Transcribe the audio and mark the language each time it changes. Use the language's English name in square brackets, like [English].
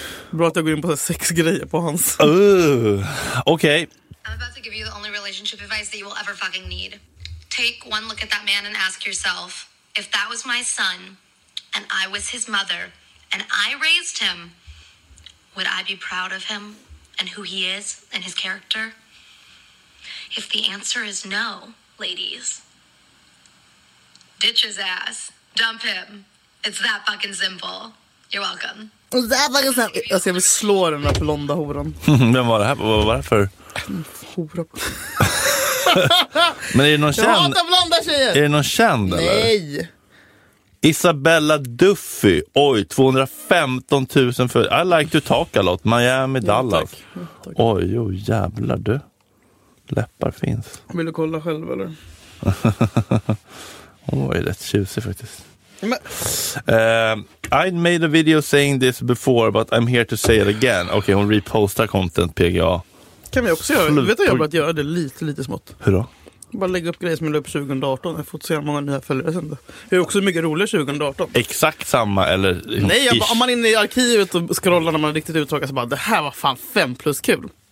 [Swedish] Bra att jag går in på sex grejer på hans. Okej. [English] I'm about to give you the only relationship advice that you will ever fucking need. Take one look at that man and ask yourself, if that was my son and I was his mother and I raised him, would I be proud of him? And who he is and his character? If the answer is no, ladies, ditch his ass. Dump him. It's that fucking simple. You're welcome. It's that fucking simple. [Swedish] Jag ska väl slå den där blonda horan. Vem var det här? Vad var det för? Hora. Men är det någon känd? Jag hatar blonda tjejer. Är det någon känd eller? Nej. Isabella Duffy. Oj, 215 000 för... [English] I like to talk a lot. [Swedish] Miami, Dallas. Ja, tack. Oj, jävlar du. Läppar finns. Vill du kolla själv eller? Hon var ju rätt tjusig faktiskt. [English] I made a video saying this before, but I'm here to say it again. [Swedish] Okej, okay, hon repostar content, PGA. Kan vi också göra det? Vet du, jag har börjat göra det lite smått. Hur då? Bara lägga upp grejer som jag lade upp 2018. Jag har fått se hur många nya följare sen då. Det är också mycket roligare 2018. Exakt samma, eller? Nej, om man är inne i arkivet och scrollar när man har riktigt uttagat, så bara, det här var fan 5 plus kul.